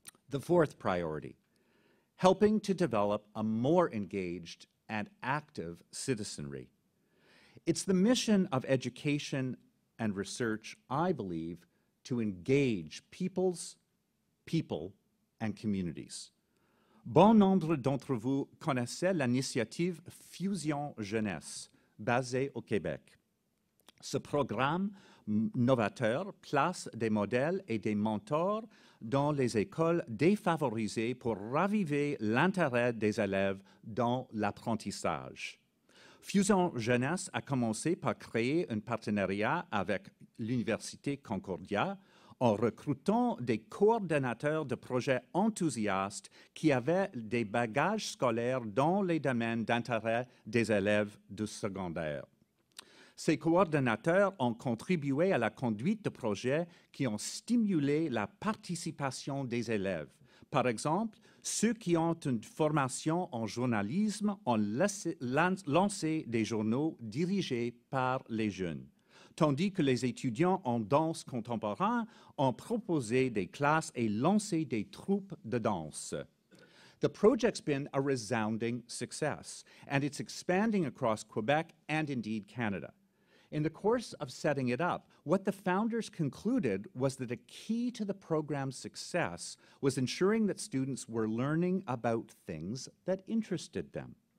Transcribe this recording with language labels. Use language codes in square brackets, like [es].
[en] The fourth priority, helping to develop a more engaged and active citizenry. It's the mission of education and research, I believe, to engage peoples, people, and communities. [fr] Bon nombre d'entre vous connaissaient l'initiative Fusion Jeunesse, basé au Québec. Ce programme novateur place des modèles et des mentors dans les écoles défavorisées pour raviver l'intérêt des élèves dans l'apprentissage. Fusion Jeunesse a commencé par créer un partenariat avec l'Université Concordia en recrutant des coordinateurs de projets enthousiastes qui avaient des bagages scolaires dans les domaines d'intérêt des élèves du secondaire. Ces coordinateurs ont contribué à la conduite de projets qui ont stimulé la participation des élèves. Par exemple, ceux qui ont une formation en journalisme ont lancé des journaux dirigés par les jeunes, tandis que les étudiants en danse contemporaine ont proposé des classes et lancé des troupes de danse. [en] The project's been a resounding success, and it's expanding across Quebec and indeed Canada. In the course of setting it up, what the founders concluded was that a key to the program's success was ensuring that students were learning about things that interested them.